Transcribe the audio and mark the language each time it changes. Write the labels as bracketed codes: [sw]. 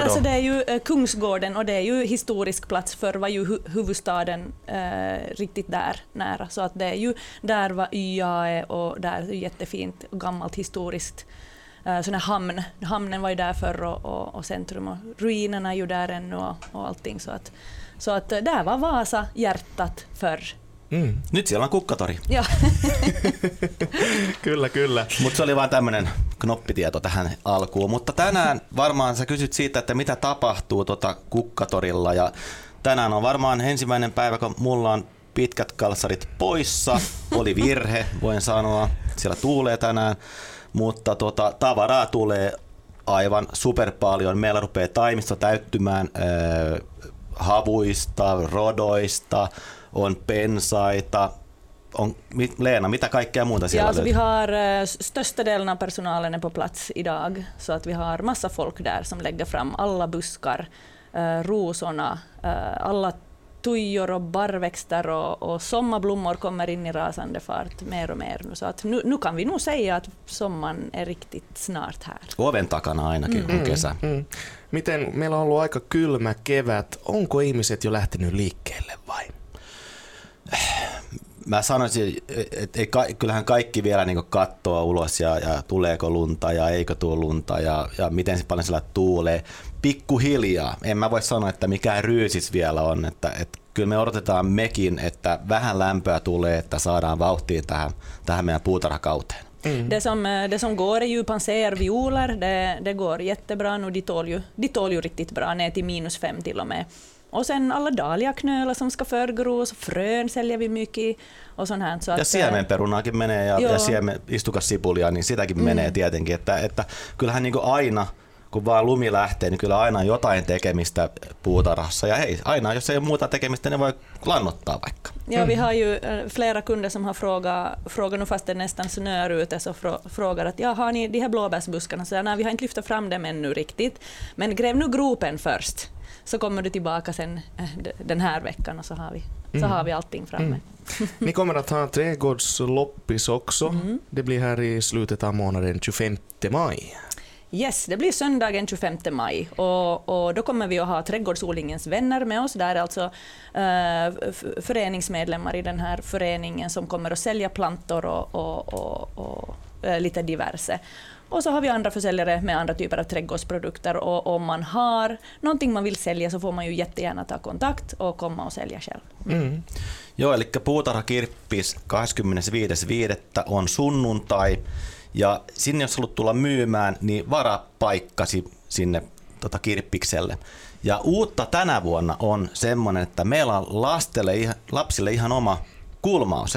[sv] Ja, alltså det är ju Kungsgården och det är ju historisk plats för var ju huvudstaden riktigt där nära. Så att det är ju där var YA är och där är jättefint gammalt historiskt. Sån här hamn. Hamnen var ju där förr och centrum och ruinerna är ju där ännu och allting. Så att där var Vasa hjärtat förr. Mm. [fi] Nyt siellä on Kukkatori. Kyllä, kyllä. Mutta se oli vain tämmöinen knoppitieto tähän alkuun. Mutta tänään varmaan sä kysyt siitä, että mitä tapahtuu Kukkatorilla. Ja tänään on varmaan ensimmäinen päivä, kun mulla on pitkät kalsarit poissa. Oli virhe, voin sanoa. Siellä tuulee tänään. Mutta tavaraa tulee aivan super paljon. Meillä rupeaa taimisto täyttymään havuista, rodoista. On pensaita. Leena, mitä kaikkea muuta siellä löytyy? [sv] Vi har största delen av personalen är på plats idag. Så att vi har massa folk där som lägger fram alla buskar, rosorna, alla tujor och barrväxter och sommarblommor kommer in i rasande fart mer och mer. Så att nu kan vi nog säga att sommaren är riktigt snart här. [fi] Oven takana ainakin on kesä. Mm. Miten meillä on ollut aika kylmä kevät. Onko ihmiset jo lähtenyt liikkeelle vai? Mä sanoisin, että kyllähän kaikki vielä niin kuin kattoo ulos ja tuleeko lunta ja eikö tuo lunta ja miten paljon siellä tuulee. Pikkuhiljaa. En mä voi sanoa, että mikään ryysis vielä on. Että kyllä me odotetaan mekin, että vähän lämpöä tulee, että saadaan vauhtia tähän meidän puutarhakauteen. Mm. [sv] Det som går är ju panserviolar. Det går jättebra nu. De tål ju riktigt bra, ner till -5 till och med. Och sen alla dahliaknölar som ska förgros, frön säljer vi mycket och sånt här. [fi] Så ja siemenperunaakin menee ja siemenistukassipulia, niin sitäkin menee tietenkin. Että kyllähän niin kuin aina, kun vaan lumi lähtee, niin kyllä aina jotain tekemistä puutarhassa. Ja hei, aina jos ei ole muuta tekemistä, niin voi lannottaa vaikka. [sv] Ja vi har ju flera kunder som har frågat, fast det är nästan snör ute, så frågar att ja, har ni de här blåbärsbuskarna? Så nej, vi har inte lyftat fram dem ännu riktigt, men gräv nu gropen först. Så kommer du tillbaka sen den här veckan och så har vi allting framme. Mm. Ni kommer att ha trädgårdsloppis också. Mm. Det blir här i slutet av månaden 25 maj. Yes, det blir söndagen 25 maj och då kommer vi att ha Trädgårdsodlingens vänner med oss. Där är alltså föreningsmedlemmar i den här föreningen som kommer att sälja plantor och lite diverse. Och så har vi andra försäljare med andra typer av trädgårdsprodukter. Och om man har någonting man vill sälja så får man ju jättegärna ta kontakt och komma och sälja själv. Mm. [fi] Jo, eli Puutarhakirppis 25.5. on sunnuntai. Ja sinne jos haluat tulla myymään, niin vara paikkasi sinne kirppikselle. Ja uutta tänä vuonna on semmoinen, että meillä on lapsille ihan oma kulmaus.